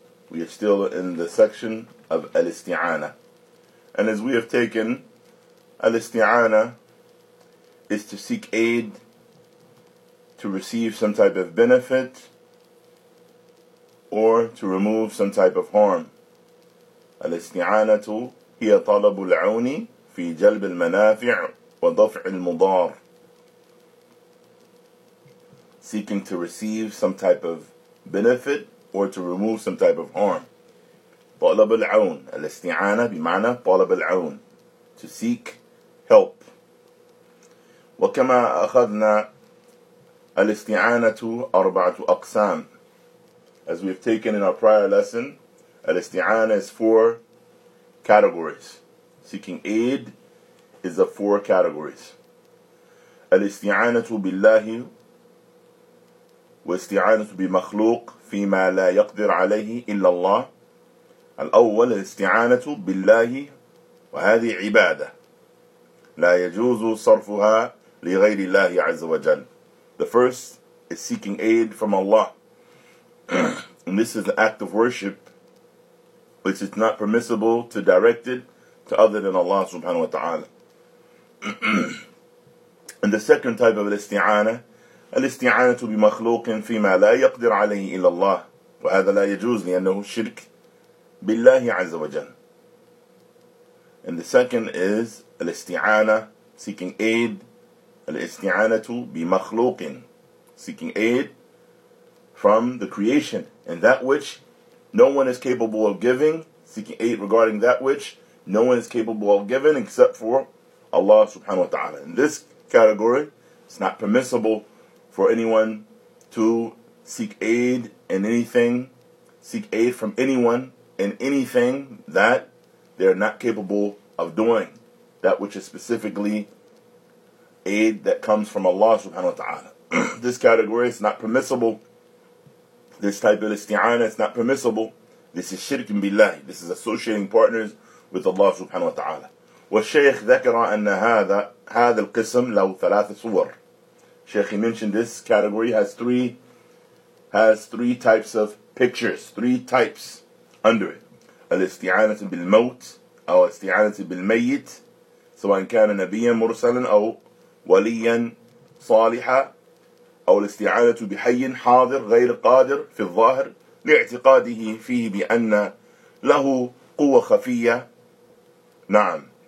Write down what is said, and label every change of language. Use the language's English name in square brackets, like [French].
[English] We are still in the section of الاستعانة. And as we have taken, الاستعانة is to seek aid, to receive some type of benefit, or to remove some type of harm. [Arabic] الاستعانة هي طلب العون في جلب المنافع ودفع المضار. [English] Seeking to receive some type of benefit or to remove some type of harm. [Arabic] طلب العون. الاستعانة بمعنى طلب العون. [English] To seek help. [Arabic] وكما أخذنا الاستعانة أربعة أقسام. [English] As we have taken in our prior lesson, الاستعانة is four categories. Seeking aid is the four categories. [Arabic] الاستعانة بالله واستعانة بمخلوق فيما لا يقدر عليه إلا الله. الأول الاستعانة بالله وهذه عبادة لا يجوز صرفها لغير الله عز وجل. [English] The first is seeking aid from Allah. And this is an act of worship which is not permissible to direct it to other than Allah subhanahu wa ta'ala. And the second type of [Arabic] الاستعانة, الاستعانة بمخلوق فيما لا يقدر عليه إلا الله. وهذا لا يجوز لأنه شرك بالله عز وجل. [English] And the second is الاستعانة, seeking aid, [Arabic] الاستعانة بمخلوق, [English] seeking aid from the creation and that which no one is capable of giving, seeking aid regarding that which no one is capable of giving except for Allah subhanahu wa ta'ala. In this category, it's not permissible for anyone to seek aid in anything, seek aid from anyone in anything that they're not capable of doing. That which is specifically aid that comes from Allah subhanahu wa ta'ala. This category is not permissible. This type of isti'ana is not permissible. This is shirk billahi. This is associating partners with Allah subhanahu wa ta'ala. [Arabic] والشيخ ذكر أن هذا القسم له ثلاث صور. [English] Sheikh, he mentioned this category has three types of pictures, three types under it. [Arabic] الاستعانة بالموت أو الاستعانة بالميت سواء كان نبيا مرسلا أو وليا صالحا أو الاستعانة بحي حاضر غير قادر في الظاهر لاعتقاده فيه بأن له قوة خفية. نعم.